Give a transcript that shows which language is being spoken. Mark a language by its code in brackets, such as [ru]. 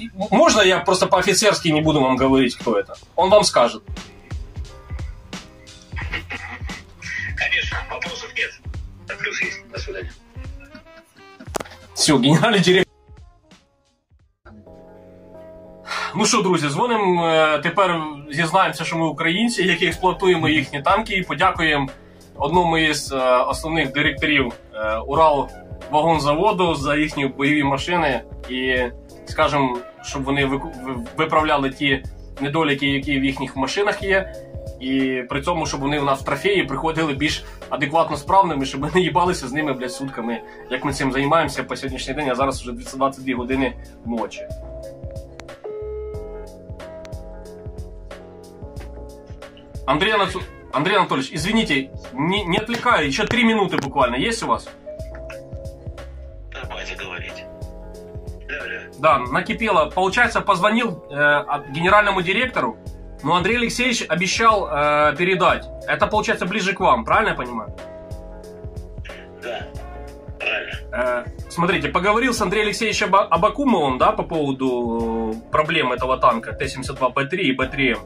[ru] Можно я просто по-офицерски не буду вам говорить, кто это? Он вам скажет. Конечно, вопросов нет. А плюс есть. До свидания. Все, генеральный директор. [uk] Ну що, друзі, дзвоним. Тепер дізнаємося, що ми українці, які експлуатуємо їхні танки. Подякуємо одному із основних директорів Уралвагонзаводу за їхні бойові машини. І скажемо, щоб вони виправляли ті недоліки, які в їхніх машинах є. І при цьому, щоб вони в нас в трофеї приходили більш адекватно справними, щоб ми не їбалися з ними, блядь, сутками, як ми цим займаємося по сьогоднішній день, а зараз вже 22 години ночі. Андрій Анатольович, [ru] извините, не отвлекаю, [uk] ще 3 минути буквально, є у вас? Давайте говорити. [ru] Да, накипело. Получается, позвонил генеральному директору, но Андрей Алексеевич обещал передать. Это, получается, ближе к вам, правильно я понимаю? Да, правильно. Смотрите, поговорил с Андреем Алексеевичем Абакумовым, да, по поводу проблем этого танка Т-72Б3 и Б3М.